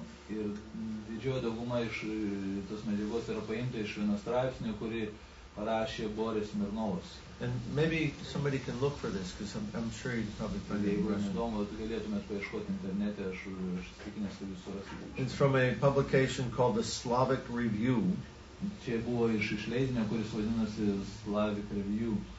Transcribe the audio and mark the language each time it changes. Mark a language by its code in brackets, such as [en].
[lt] Ir didžioji dauguma iš tos medžiagos yra paimta iš vieno straipsnio, kurį parašė Boris Mironovas. [en] And maybe somebody can look for this, because I'm sure you'd probably find it. [lt] Jeigu įdomu, tai galėtumėt paieškoti internete, aš tikinęs, kad jūs surasite. [en] It's from a publication called the Slavic Review. [lt] Čia buvo iš išleidinio, kuris vadinasi Slavic Review.